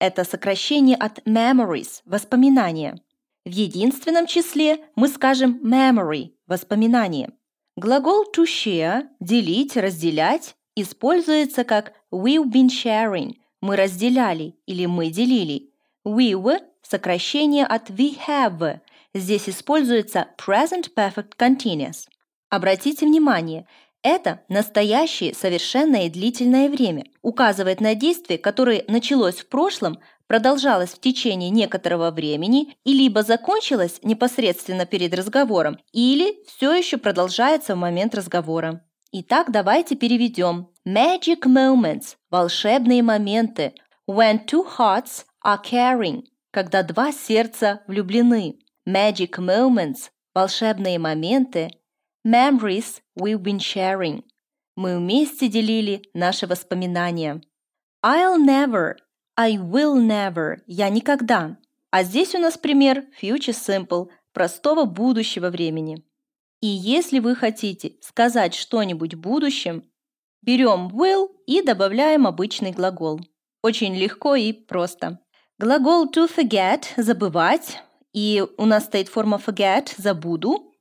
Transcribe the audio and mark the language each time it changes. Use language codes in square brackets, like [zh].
[ru] Это сокращение от memories – воспоминания. В единственном числе мы скажем memory – воспоминания. Глагол to share – делить, разделять – используется как [en] we've been sharing [ru] – мы разделяли или мы делили. We've – сокращение от [en] we have. [ru] Здесь используется present perfect continuous. Обратите внимание, это настоящее совершенное длительное время. Указывает на действие, которое началось в прошлом, продолжалось в течение некоторого времени и либо закончилось непосредственно перед разговором, или все еще продолжается в момент разговора. Итак, давайте переведем. [en] Magic moments [ru] – волшебные моменты. [en] When two hearts are caring – [ru] когда два сердца влюблены. [en] Magic moments [ru] – волшебные моменты. [en] Memories we've been sharing. [ru] Мы вместе делили наши воспоминания. [en] I'll never, I will never, [ru] я никогда. А здесь у нас пример future simple, простого будущего времени. И если вы хотите сказать что-нибудь в будущем, берем will и добавляем обычный глагол. Очень легко и просто. Глагол to forget, забывать, и у нас стоит форма forget, забуду.